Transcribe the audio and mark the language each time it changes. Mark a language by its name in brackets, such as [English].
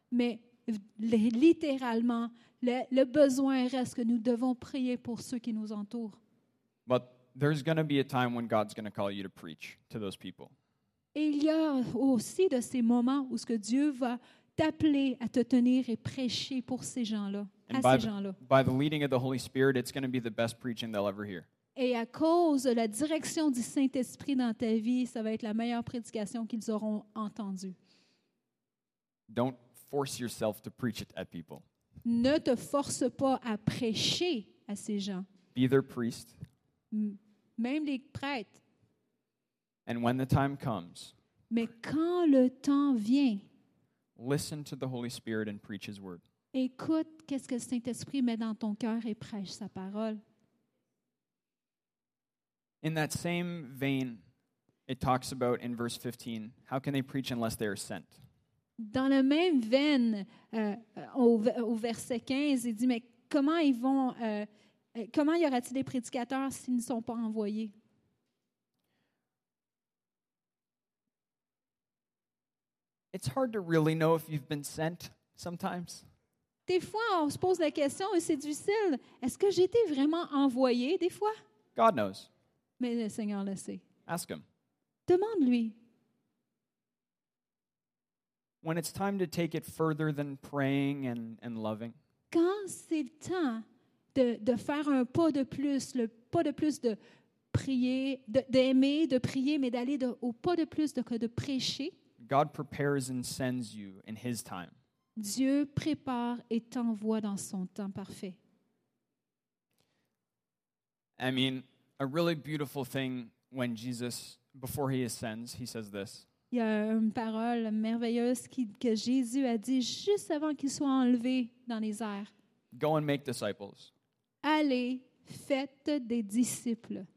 [French] Mais littéralement, le besoin reste que nous devons prier pour ceux qui nous entourent. [English] But there's going to be a time when God's going to call you to preach to those people. [French] Et il y a aussi de ces moments où ce que Dieu va t'appeler à te tenir et prêcher pour ces gens-là, [English] By the leading of the Holy Spirit, it's going to be the best preaching they'll ever hear. [French] Et à cause de la direction du Saint-Esprit dans ta vie, ça va être la meilleure prédication qu'ils auront entendue. [English] Don't force yourself to preach it at people. [French] Ne te force pas à prêcher à ces gens. [English] Be their priest. [French] Même les prêtres. [English] And when the time comes. [French] Mais quand le temps vient. [English] Listen to the Holy Spirit and preach His word. [French] Écoute qu'est-ce que le Saint-Esprit met dans ton cœur et prêche sa parole. [English] In that same vein, it talks about in verse 15, how can they preach unless they are sent? [French] Dans la même veine, au verset 15, il dit, mais comment ils vont, comment y aura-t-il des prédicateurs s'ils ne sont pas envoyés? [English] It's hard to really know if you've been sent sometimes. [French] Des fois, on se pose la question et c'est difficile. Est-ce que j'ai été vraiment envoyé des fois? [English] God knows. [French] Mais le Seigneur le sait. [English] Ask him. [French] Demande-lui. [English] When it's time to take it further than praying and loving. [French] Quand c'est le temps de faire un pas de plus, le pas de plus de prier, d'aimer, de prier, mais d'aller au pas de plus de prêcher. [English] God prepares and sends you in his time. [French] Dieu prépare et t'envoie dans son temps parfait. [English] I mean, a really beautiful thing when Jesus, before he ascends, he says this. [French] Il y a une parole merveilleuse que Jésus a dit juste avant qu'il soit enlevé dans les airs. [English] Go and make disciples. [French] Allez, faites des disciples.